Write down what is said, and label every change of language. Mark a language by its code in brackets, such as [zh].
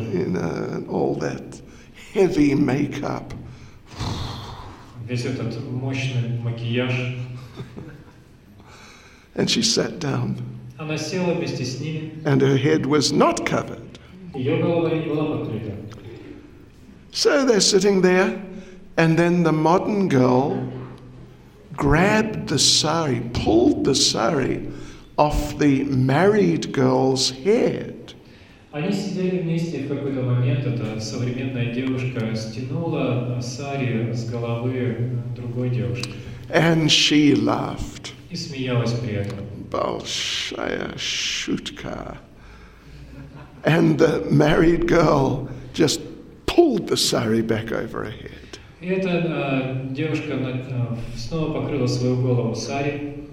[en] You know, and all that heavy makeup. [ru] Весь этот мощный макияж. [en] And she sat down. [ru] Она села вместе с ними. [en] And her head was not covered. [ru] Её голова не была покрыта. [en] So they're sitting there, and then the modern girl grabbed the sari, pulled the sari off the married girl's head. [ru] Они сидели вместе, в какой-то момент эта современная девушка стянула сари с головы другой девушки. [en] And she laughed. [ru] И смеялась при этом. Большая шутка. [en] And the married girl just pulled the sari back over her head. [ru] Эта девушка снова покрыла свою голову сари.